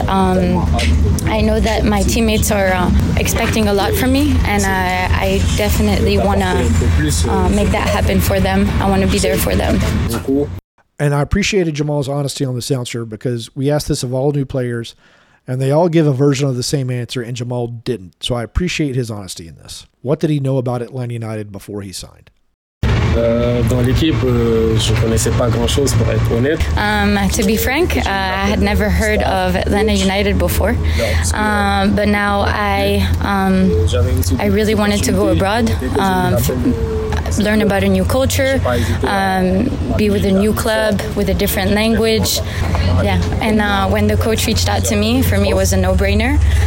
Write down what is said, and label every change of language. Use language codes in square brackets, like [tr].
[en] I know that my teammates are expecting a lot from me, and I definitely want to make that happen for them. I want to be there for them. And I appreciated Jamal's honesty on this answer, because we asked this of all new players, and they all give a version of the same answer, and Jamal didn't. So I appreciate his honesty in this. What did he know about Atlanta United before he signed? [fr] Dans l'équipe, je connaissais pas grand chose, pour être honnête. [en] To be frank, I had never heard of Atlanta United before. But now I really wanted to go abroad, learn about a new culture, be with a new club, with a different language. Yeah, and when the coach reached out to me, for me it was a no-brainer.